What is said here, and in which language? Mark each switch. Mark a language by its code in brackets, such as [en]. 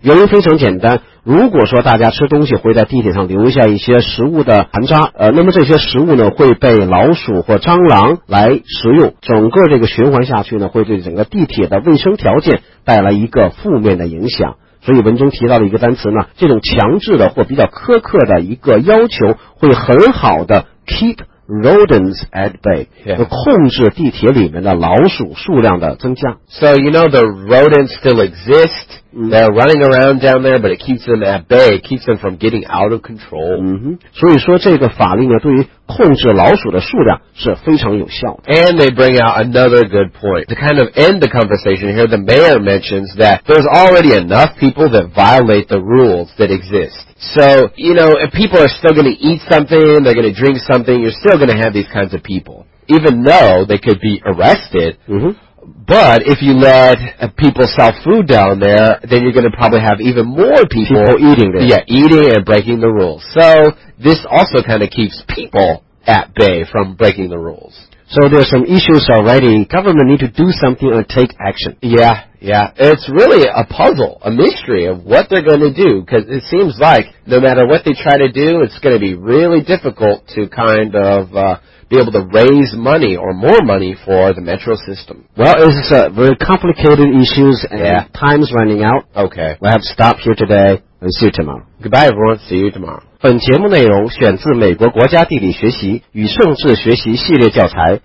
[zh] 原因非常简单，如果说大家吃东西会在地铁上留下一些食物的残渣，那么这些食物呢会被老鼠或蟑螂来食用，整个这个循环下去呢会对整个地铁的卫生条件带来一个负面的影响。所以文中提到的一个单词呢，这种强制的或比较苛刻的一个要求会很好的 [en] keep rodents at bay、 yeah. [zh] 控制地铁里面的老鼠数量的增加。 [en] So you know the rodents still exist, they're running around down there, but it keeps them at bay, keeps them from getting out of control、 [zh] 所以说这个法令呢对于控制老鼠的数量是非常有效的。 [en] And they bring out another good point. To kind of end the conversation here, the mayor mentions that there's already enough people that violate the rules that exist. So, you know, if people are still going to eat something, they're going to drink something, you're still going to have these kinds of people. Even though they could be arrested,、but if you let people sell food down there, then you're going to probably have even more people eating there. Yeah, eating and breaking the rules. So this also kind of keeps people at bay from breaking the rules. So there's some issues already. Government need to do something or take action. Yeah, yeah. It's really a puzzle, a mystery of what they're going to do, because it seems like no matter what they try to do, it's going to be really difficult to kind of... be able to raise money or more money for the metro system. Well, it's very complicated issues and、 yeah. time's running out. Okay. We'll have to stop here today and see you tomorrow. Goodbye, everyone. See you tomorrow. [zh] 本节目内容选自美国国家地理学习与政治学习系列教材。